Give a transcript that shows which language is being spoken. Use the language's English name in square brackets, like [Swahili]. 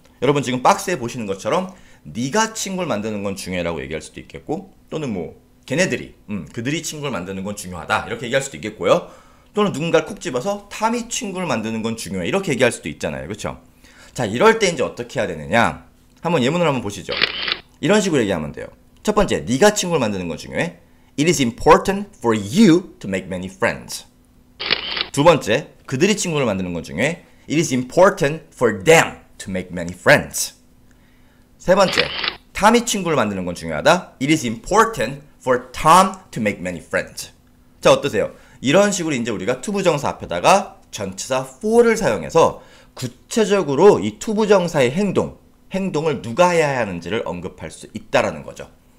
[Korean] 여러분 지금 박스에 보시는 것처럼 네가 친구를 만드는 건 중요하다고 얘기할 수도 있겠고 또는 뭐 걔네들이 그들이 친구를 만드는 건 중요하다 이렇게 얘기할 수도 있겠고요. 또는 누군가를 콕 집어서 탐이 친구를 만드는 건 중요해 이렇게 얘기할 수도 있잖아요. 그렇죠? 자, 이럴 때 이제 어떻게 해야 되느냐, 한번 예문을 한번 보시죠. 이런 식으로 얘기하면 돼요. 첫 번째, 네가 친구를 만드는 건 중요해. [English] It is important for you to make many friends. [Korean] 두 번째, 그들이 친구를 만드는 건 중요해. [English] It is important for them to make many friends. [Korean] 세 번째, 탐이 친구를 만드는 건 중요하다. [English] It is important for Tom to make many friends. [Korean] 자, 어떠세요? 이런 식으로 이제 우리가 to 부정사 앞에다가 전치사 for를 사용해서 구체적으로 이 to 부정사의 행동을 누가 해야 하는지를 언급할 수 있다라는 거죠.